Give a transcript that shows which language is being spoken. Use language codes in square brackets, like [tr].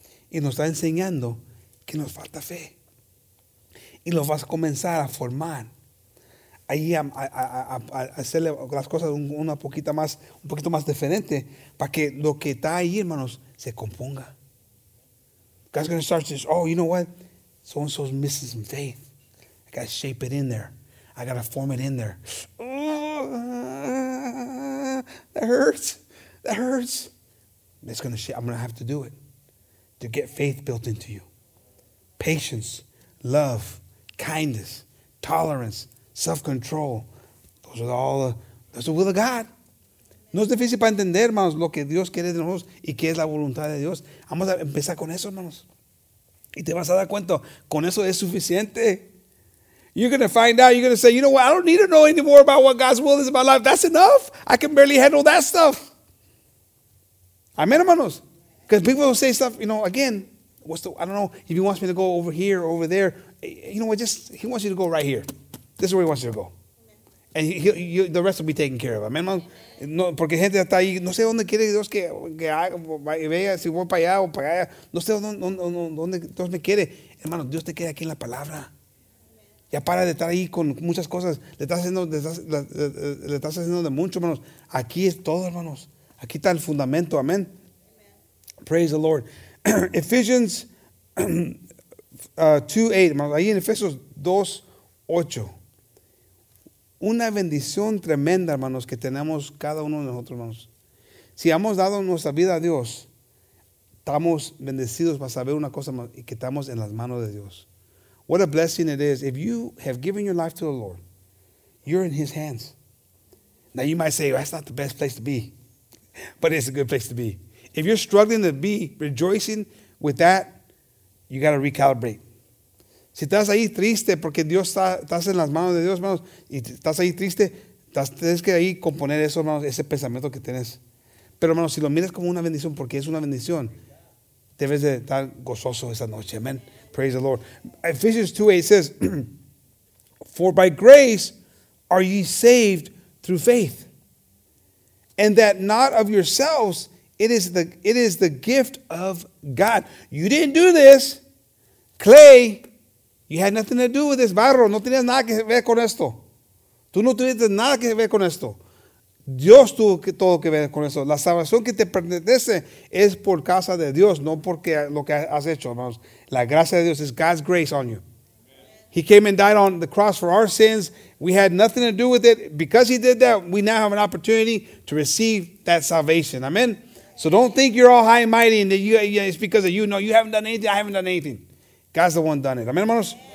[es] Y nos está enseñando que nos falta fe. Y lo vas a comenzar a formar. Ahí a hacerle las cosas un poquito más diferente para que lo que está ahí, hermanos, se componga. [en] God's going to start to say, oh, you know what? So-and-so's missing some faith. I got to shape it in there. I got to form it in there. That hurts. That hurts. It's going to shape. I'm going to have to do it to get faith built into you. Patience, love, kindness, tolerance, self-control. Those are all that's the will of God. [es] No es difícil para entender, hermanos, lo que Dios quiere de nosotros y qué es la voluntad de Dios. Vamos a empezar con eso, hermanos. Y te vas a dar cuenta, con eso es suficiente. [en] You're going to find out, you're going to say, you know what, I don't need to know anymore about what God's will is in my life. That's enough. I can barely handle that stuff. Amen, hermanos. Because people will say stuff, you know, again, I don't know, if he wants me to go over here or over there, you know what, just, he wants you to go right here. This is where he wants you to go. And the rest will be taken care of. [es] Amen, hermanos. No, porque gente está ahí, no sé dónde quiere Dios que vea, si voy para allá o para allá. No sé dónde Dios me quiere. Hermano, Dios te quiere aquí en la palabra. Ya para de estar ahí con muchas cosas. Le estás haciendo de mucho, hermanos. Aquí es todo, hermanos. Aquí está el fundamento. Amén. [en] Praise the Lord. Ephesians 2:8. [es] Hermanos, ahí en Efesios 2:8. Una bendición tremenda, hermanos, que tenemos cada uno de nosotros, hermanos. Si hemos dado nuestra vida a Dios, estamos bendecidos para saber una cosa, y que estamos en las manos de Dios. [en] What a blessing it is. If you have given your life to the Lord, you're in his hands. Now you might say, well, that's not the best place to be, but it's a good place to be. If you're struggling to be rejoicing with that, you got to recalibrate. [es] Si estás ahí triste porque Dios estás en las manos de Dios, hermanos, y estás ahí triste, tienes que ahí componer eso, hermanos, ese pensamiento que tienes. Pero, hermanos, si lo miras como una bendición, porque es una bendición, debes de estar gozoso esa noche. [en] Amen. Praise the Lord. Ephesians 2:8 says, for by grace are ye saved through faith, and that not of yourselves, it is the gift of God. You didn't do this, clay. You had nothing to do with this, barro. [es] No tenías nada que ver con esto. Tú no tuviste nada que ver con esto. Dios tuvo todo que ver con esto. La salvación que te pertenece es por causa de Dios, no porque lo que has hecho, hermanos. La gracia de Dios [en] is God's grace on you. He came and died on the cross for our sins. We had nothing to do with it. Because he did that, we now have an opportunity to receive that salvation. Amen? So don't think you're all high and mighty and that it's because of you. No, you haven't done anything. I haven't done anything. God's the one done it. Amen, hermanos?